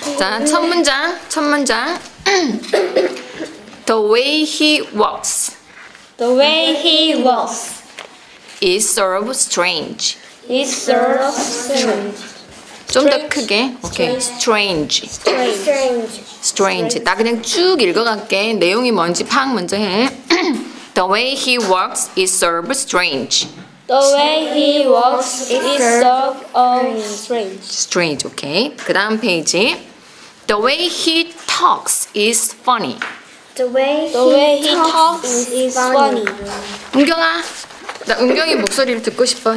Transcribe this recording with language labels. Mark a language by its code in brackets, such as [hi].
[ko] 자, 첫 문장. 첫 문장. [en] The way he walks. The way he walks is sort of strange. Is sort of strange. [ko] 좀 더 크게. 오케이. Strange. [en] Strange. [ko] Strange. 나 그냥 쭉 읽어갈게. 내용이 뭔지 파악 먼저 해. [en] The way he walks is sort of strange. The way he walks is sort of strange. [ko] Strange, okay. 그 다음 페이지. [en] The way he talks is funny. The way he talks is funny. [ko] 은경아, 나 은경이 목소리를 듣고 싶어.